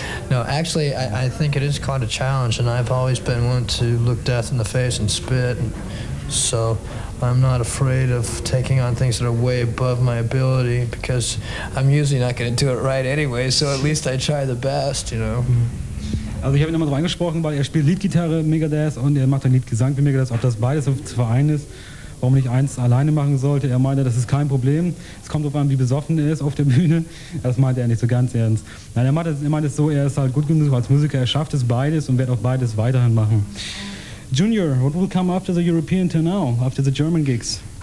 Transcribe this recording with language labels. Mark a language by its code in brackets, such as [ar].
[en] No, actually, I think it is quite a challenge, and I've always been one to look death in the face and spit, and so I'm not afraid of taking on things that are way above my ability, because I'm usually not going to do it right anyway, so at least I try the best, you know. [de] Also, ich habe ihn nochmal drüber angesprochen, weil er spielt Leadgitarre Megadeth und er macht ein Leadgesang wie Megadeth, ob das beides zu vereinen ist. Warum nicht eins alleine machen sollte. Er meinte, das ist kein Problem. Es kommt darauf an, wie besoffen er ist auf der Bühne. Das meinte er nicht so ganz ernst. Nein, er meinte es so, er ist halt gut genug als Musiker. Er schafft es beides und wird auch beides weiterhin machen. [en] Junior, what will come after the European tour now, after the German gigs?